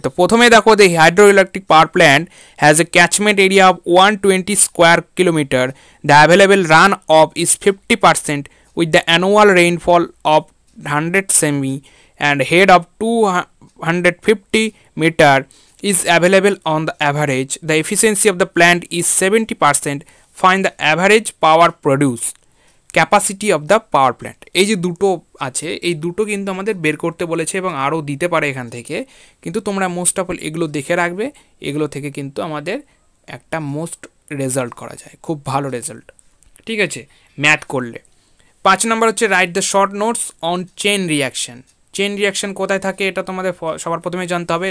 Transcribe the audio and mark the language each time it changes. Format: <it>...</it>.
<bn>তো প্রথমে দেখো, যে</bn> <en>Hydro electric power plant has a catchment area of 120 square kilometre, the available run off is 50% with the annual rainfall of 100 cm and head of 250 metre is available on the average. The efficiency of the plant is 70%. Find the average power produced capacity of the power plant.</en> <bn>এই যে দুটো আছে, এই দুটো কিন্তু আমাদের বের করতে বলেছে এবং আরও দিতে পারে এখান থেকে, কিন্তু তোমরা</bn> <en>most of all</en> <bn>এগুলো দেখে রাখবে, এগুলো থেকে কিন্তু আমাদের একটা মোস্ট রেজাল্ট করা যায়, খুব ভালো রেজাল্ট, ঠিক আছে, ম্যাথ করলে। পাঁচ নম্বর হচ্ছে,</bn> <en>Write the short notes on chain reaction.</en> <bn>Chain reaction কোথায় থাকে, এটা তোমাদের সবার প্রথমে জানতে হবে।</bn>